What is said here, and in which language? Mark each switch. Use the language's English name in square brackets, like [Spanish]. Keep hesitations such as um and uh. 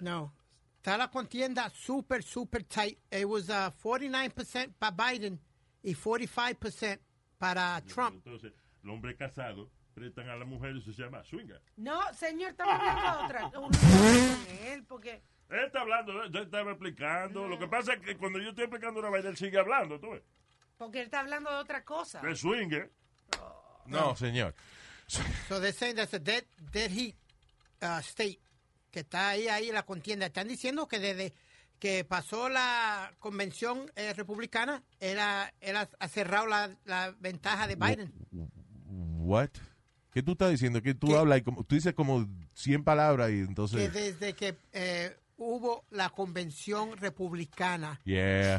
[Spanish] No. Está la contienda super, super tight. [English] It was uh, [Spanish] 49% para Biden y 45% para sí, Trump. Entonces, el hombre casado prestan a las mujeres y se llama swinger. No, señor, estamos hablando de otra. ¿Tú? ¿Tú? él, porque. Él está hablando, yo estaba explicando. No. Lo que pasa es que cuando yo estoy explicando una vaina, él sigue hablando, tú ves. Porque él está hablando de otra cosa. De swing, eh. oh, no. no, señor. [English] So, so they say that's a dead, dead heat, uh, state. [Spanish] Que está ahí, ahí la contienda. Están diciendo que desde que pasó la convención eh, republicana, él ha, él ha cerrado la, la, ventaja de Biden. What? ¿Qué tú estás diciendo? ¿Qué tú que tú ¿Qué? hablas y como, tú dices como 100 palabras y entonces... Que desde que... Eh, hubo la convención republicana. Yeah.